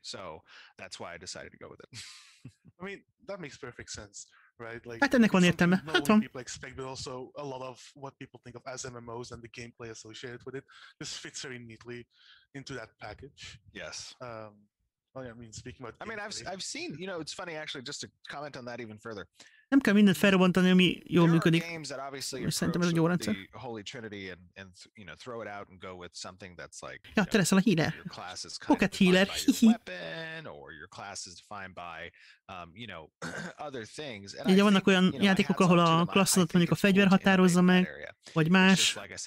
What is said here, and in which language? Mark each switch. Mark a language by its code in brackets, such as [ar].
[en] So that's why I decided to go with it. I mean, that makes perfect sense, right? [hu] Like, hát ennek van értelme. Hát van. [en] People expect, but also a lot of what people think of as MMOs and the gameplay associated with it, this fits very neatly into that package. Yes. I've seen, you know, it's funny actually, just to comment on that even further. [hu] Nem kell mindent felrobbantani, ami jól működik. Szerintem ez egy jó rendszer. [en] Holy Trinity and you know, throw it out and go with something that's like, [hu] ja, te leszel a healer. Pocket healer. [en] Or your class is defined by you know, other things. [hu] And ugye vannak olyan játékok, ahol a klasszodat mondjuk a fegyver határozza meg, vagy más.